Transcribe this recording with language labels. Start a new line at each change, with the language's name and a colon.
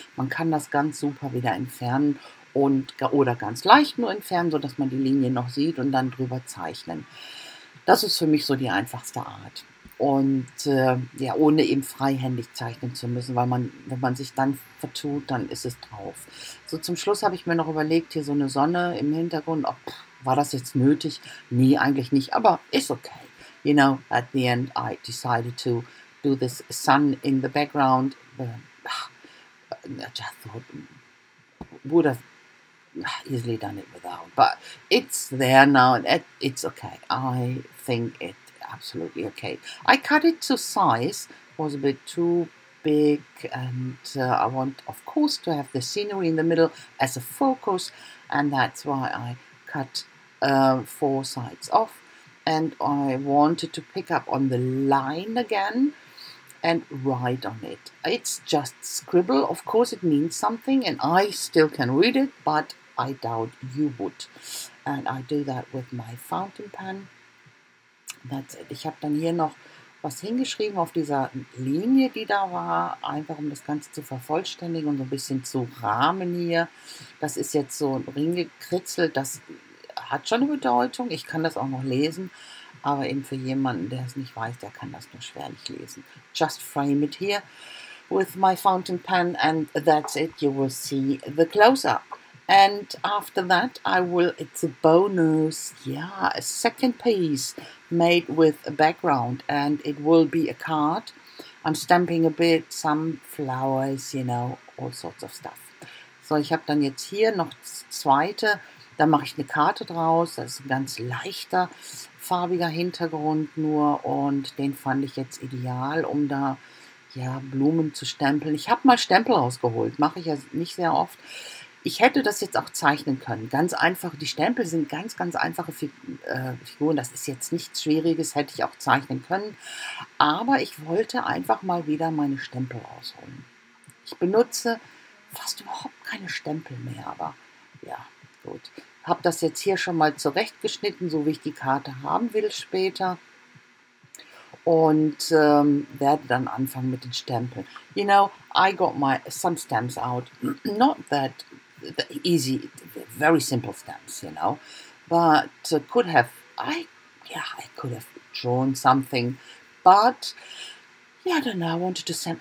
German: Man kann das ganz super wieder entfernen und oder ganz leicht nur entfernen, sodass man die Linie noch sieht und dann drüber zeichnen. Das ist für mich so die einfachste Art. Und ohne eben freihändig zeichnen zu müssen, weil man, wenn man sich dann vertut, dann ist es drauf. So, zum Schluss habe ich mir noch überlegt, hier so eine Sonne im Hintergrund, ob war das jetzt nötig? Nee, eigentlich nicht, aber ist okay.
English: You know, at the end I decided to do this sun in the background. I just thought, would have easily done it without, but it's there now and it's okay. I think it absolutely okay. I cut it to size, was a bit too big, and I want of course to have the scenery in the middle as a focus, and that's why I cut four sides off, and I wanted to pick up on the line again and write on it. It's just scribble, of course it means something and I still can read it, but I doubt you would. And I do that with my fountain pen. That's it.
German: Ich habe dann hier noch was hingeschrieben auf dieser Linie, die da war, einfach um das Ganze zu vervollständigen und so ein bisschen zu rahmen hier. Das ist jetzt so ein Ring gekritzelt, das hat schon eine Bedeutung. Ich kann das auch noch lesen, aber eben für jemanden, der es nicht weiß, der kann das nur schwerlich lesen.
English: Just frame it here with my fountain pen and that's it. You will see the close-up. And after that, I will, it's a bonus, a second piece made with a background. And it will be a card. I'm stamping a bit, some flowers, you know, all sorts of stuff.
German: So, ich habe dann jetzt hier noch das zweite. Da mache ich eine Karte draus. Das ist ein ganz leichter, farbiger Hintergrund nur. Und den fand ich jetzt ideal, um da, Blumen zu stempeln. Ich habe mal Stempel rausgeholt. Mache ich ja nicht sehr oft. Ich hätte das jetzt auch zeichnen können. Ganz einfach, die Stempel sind ganz, ganz einfache Figuren. Das ist jetzt nichts Schwieriges, hätte ich auch zeichnen können. Aber ich wollte einfach mal wieder meine Stempel rausholen. Ich benutze fast überhaupt keine Stempel mehr, aber ja, gut. Habe das jetzt hier schon mal zurechtgeschnitten, so wie ich die Karte haben will später. Und werde dann anfangen mit den Stempeln.
English: You know, I got my some stamps out. Not that easy, very simple stamps, you know, but I could have drawn something, but yeah, I don't know, I wanted to stamp.